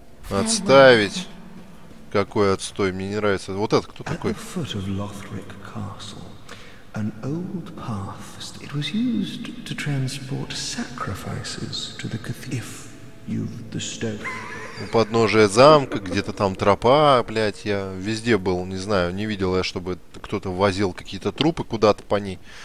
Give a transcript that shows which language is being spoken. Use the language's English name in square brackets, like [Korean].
[Russian] Отставить. Какой отстой, мне не нравится. Вот это кто такой? [English] At the foot of Lothric Castle, an old path, it was used to transport sacrifices to the cathedral. If you've the stone. [Russian] У подножия замка, где-то там тропа, блять, я везде был, не знаю, не видел я, чтобы кто-то возил какие-то трупы куда-то по ней.